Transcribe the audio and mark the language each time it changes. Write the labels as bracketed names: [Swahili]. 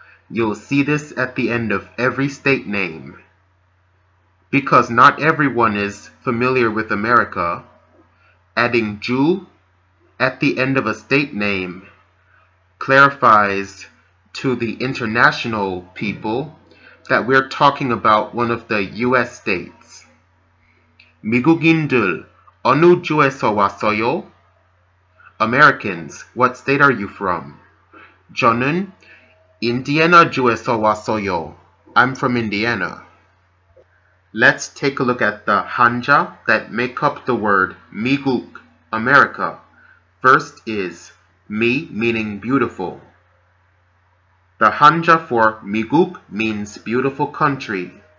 [English] You'll see this at the end of every state name. Because not everyone is familiar with America, adding ju at the end of a state name clarifies to the international people that we're talking about one of the US states. [Korean] 미국인들, 어느 주에서 왔어요? [English] Americans, what state are you from? [Korean] 저는 인디애나 주에서 왔어요. [English] I'm from Indiana. Let's take a look at the hanja that make up the word 미국, America. First is 미, meaning beautiful. The hanja for 미국 means beautiful country.